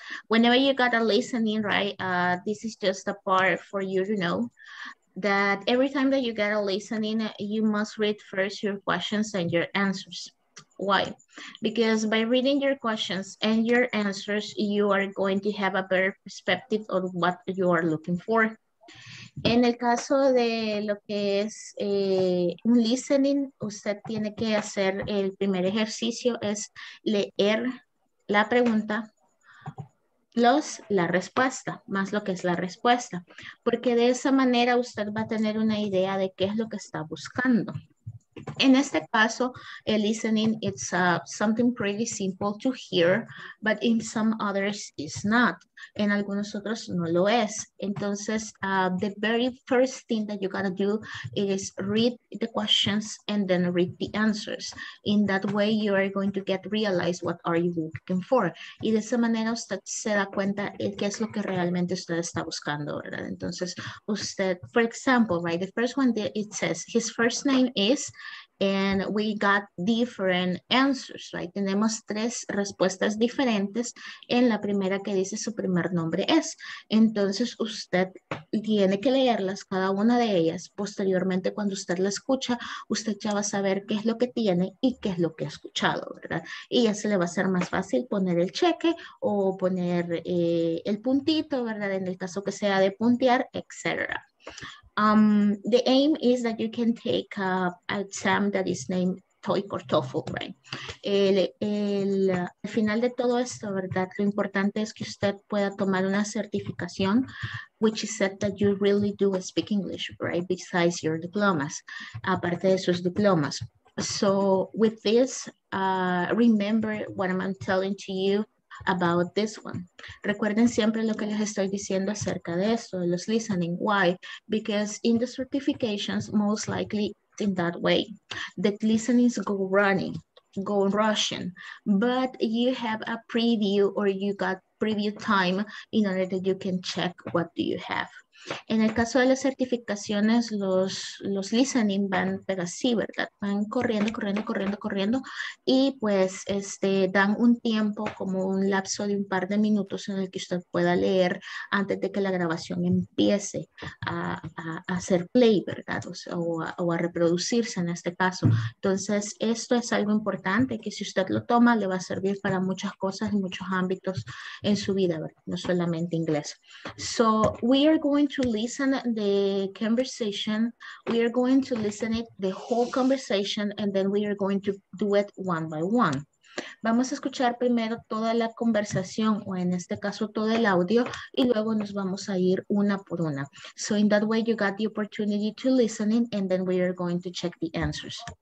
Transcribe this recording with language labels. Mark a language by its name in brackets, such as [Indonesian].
[English] Whenever you got a listening, right, this is just a part for you to know that every time that you get a listening, you must read first your questions and your answers. Why? Because by reading your questions and your answers, you are going to have a better perspective on what you are looking for. [Spanish] En el caso de lo que es un listening, usted tiene que hacer el primer ejercicio, es leer la pregunta plus la respuesta, más lo que es la respuesta. Porque de esa manera usted va a tener una idea de qué es lo que está buscando. En este caso, el listening, [English] it's something pretty simple to hear, but in some others, it's not. [Spanish] En algunos otros, no lo es. Entonces, [English] the very first thing that you gotta do is read the questions and then read the answers. In that way, you are going to get realized what are you looking for. [Spanish] Y de esa manera, usted se da cuenta qué es lo que realmente usted está buscando, ¿verdad? Entonces, usted, [English] for example, right, the first one, it says, his first name is... and we got different answers, right? [Spanish] Tenemos tres respuestas diferentes en la primera que dice su primer nombre es. Entonces usted tiene que leerlas, cada una de ellas. Posteriormente, cuando usted la escucha, usted ya va a saber qué es lo que tiene y qué es lo que ha escuchado, ¿verdad? Y ya se le va a hacer más fácil poner el cheque o poner el puntito, ¿verdad? En el caso que sea de puntear, etc. [English] The aim is that you can take an exam that is named TOEIC or TOEFL, right? [Spanish] El final de todo esto, ¿verdad? Lo importante es que usted pueda tomar una certificación, [English] which is said that you really do speak English, right? Besides your diplomas, [Spanish] aparte de sus diplomas. [English] So with this, remember what I'm telling to you about this one. [Spanish] Recuerden siempre lo que les estoy diciendo acerca de esto, de los listening. [English] Why? Because in the certifications, most likely in that way, that listenings go running, go rushing, but you have a preview or you got preview time in order that you can check what do you have. [Spanish] En el caso de las certificaciones, los listening van, pero sí, ¿verdad? Van corriendo, corriendo, corriendo, corriendo y pues dan un tiempo, como un lapso de un par de minutos en el que usted pueda leer antes de que la grabación empiece a hacer play, ¿verdad? O a reproducirse en este caso. Entonces, esto es algo importante que si usted lo toma, le va a servir para muchas cosas en muchos ámbitos en su vida, ¿verdad? No solamente inglés. [English] So, we are going to listen the conversation, we are going to listen it the whole conversation, and then we are going to do it one by one. [Spanish] Vamos a escuchar primero toda la conversación, o en este caso todo el audio, y luego nos vamos a ir una por una. [English] So in that way you got the opportunity to listen it, and then we are going to check the answers.